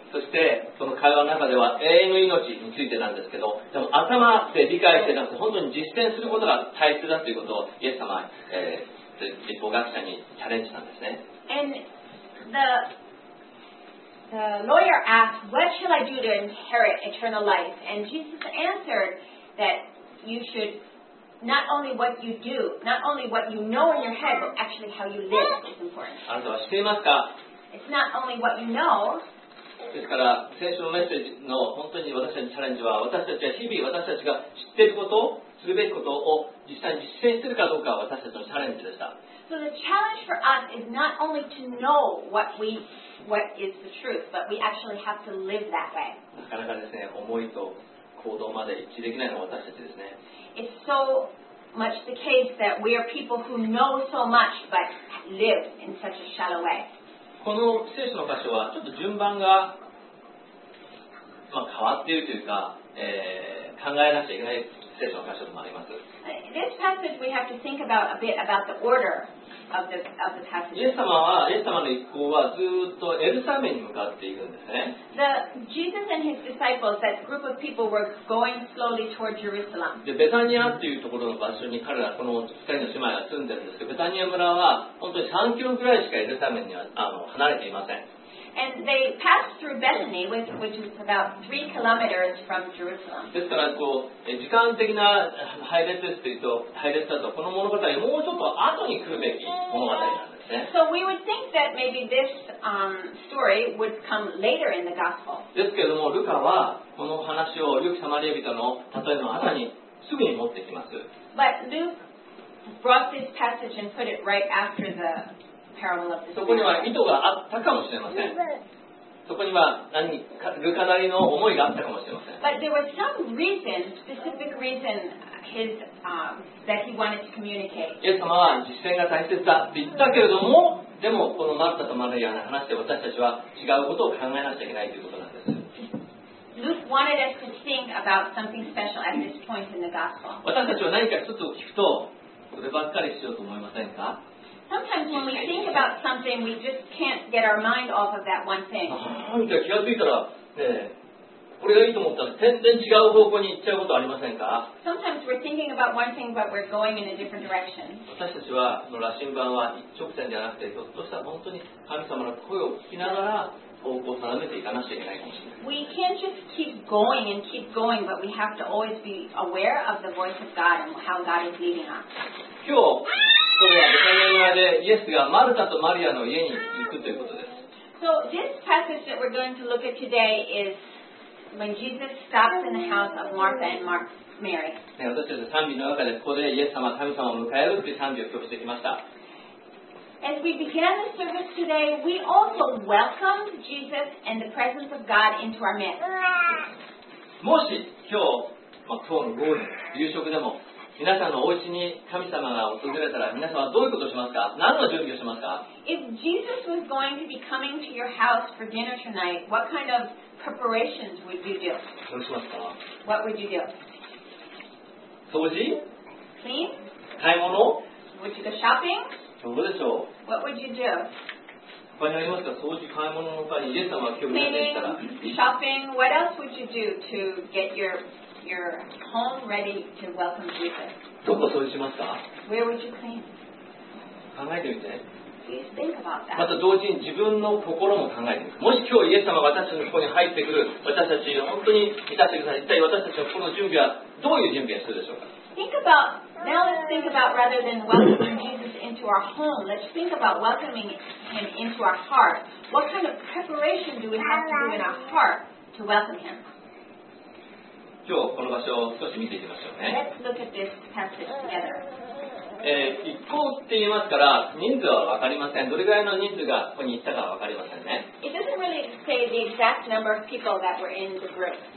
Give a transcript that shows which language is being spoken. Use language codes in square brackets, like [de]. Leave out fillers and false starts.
[ja] そしてその会話の中では永遠の命についてなんですけど、でも頭で理解してなくて本当に実践することが大切だということをイエス様、立法学者にチャレンジしたんですね。 [en] The lawyer asked, What shall I do to inherit eternal life? And Jesus answered that you should not only what you do, not only what you know in your head, but actually how you live is important. [ja] あなたは知っていますか? [en] It's not only what you know. [ja] ですから、先週のメッセージの本当に私たちのチャレンジは、私たちは日々私たちが知っていることを、するべきことを実際に実践するかどうかは私たちのチャレンジでした。 [en] So the challenge for us is not only to know what is the truth, but we actually have to live that way. [ja] なかなかですね、思いと行動まで一致できないのは私たちですね。 [en] It's so much the case that we are people who know so much but live in such a shallow way. [ja] この聖書の箇所はちょっと順番がまあ、変わっているというか、考えなくちゃいけない聖書の箇所でもあります。 [en] This passage we have to think about a bit about the order of the passage. [ja] イエス様の一行はずっとエルサレムに向かっているんですね。 [en] The Jesus and his disciples, that group of people, were going slowly toward Jerusalem. [ja] で、ベタニアっていうところの場所に彼らこの二人の姉妹は住んでるんですけど、ベタニア村は本当に3キロくらいしかエルサレムには離れていません。 [en] And they passed through Bethany, which is about 3 kilometers from Jerusalem. [ja] ですからこう時間的な配列ですというと配列だとこの物語もうちょっと後に来るべき物語なんですね。 [en] So we would think that maybe this story would come later in the gospel. [ja] ですけれどもルカはこの話をルカサマリア人の例えの後にすぐに持ってきます。 [en] But Luke brought this passage and put it right after the. [ja] そこには意図があったかもしれません。そこには何かルカなりの思いがあったかもしれません。 [en] But there was some reason, specific reason, his, that he wanted to communicate. [ja] イエス様は実践が大切だって言ったけれども、でもこのマルタとマリアの話で私たちは違うことを考えなきゃいけないということなんです。 [en] Luke wanted us to think about something special at this point in the gospel. [ja] 私たちは何か一つを聞くと、こればっかりしようと思いませんか？ [en] Sometimes when we think about something, we just can't get our mind off of that one thing. [ja] ああ、気がついたら、これがいいと思ったら全然違う方向に行っちゃうことありませんか？ [en] Sometimes we're thinking about one thing, but we're going in a different direction. [ja] 私たちは、この羅針盤は一直線ではなくて、ひょっとしたら本当に神様の声を聞きながら方向を定めていかなきゃいけないかもしれない。 [en] We can't just keep going and keep going, but we have to always be aware of the voice of God and how God is leading us. [ja] 今日それはベタニア村でイエスがマルタとマリアの家に行くということです。 [en] So this passage that we're going to look at today is when Jesus stops in the house of Martha and Mary. [ja] 私たちは賛美の中でここでイエス様、神様を迎えるという賛美を今日してきました。 [en] As we began the service today, we also welcomed Jesus and the presence of God into our midst. [ja] もし今日、今日の午後、夕食でも皆さんのお家に神様が訪れたら皆さんはどういうことをしますか？何の準備をしますか？ [en] If Jesus was going to be coming to your house for dinner tonight, what kind of preparations would you do? [ja] どうしますか？ [en] What would you do? [ja] 掃除？ [en] Clean? [ja] 買い物？ [en] Would you go shopping? [ja] どうでしょう？ [en] What would you do? [ja] 他にありますか？掃除、買い物の他にイエス様は興味があったら [en] Cleaning, shopping, what else would you do to get your home ready to welcome Jesus. [ja] どこ掃除しますか？ [en] Where would you clean? [ja] 考えてみて。 [en] Please think about that. [ja] また同時に自分の心も考えてみて。もし今日イエス様が私たちのここに入ってくる、私たち本当に満たしてください。一体私たちのこの準備はどういう準備をするでしょうか？ [en] Think about, now let's think about rather than welcoming Jesus into our home, let's think about welcoming him into our heart. What kind of preparation do we have to do in our heart to welcome him? [ja] 今日この場所を少し見ていきましょうね。 [en] Let's look at this passage together. [ja] 一行って言いますから人数は分かりません。どれぐらいの人数がここに行ったかは分かりませんね。 [en] It doesn't really say the exact number of people that were in the group.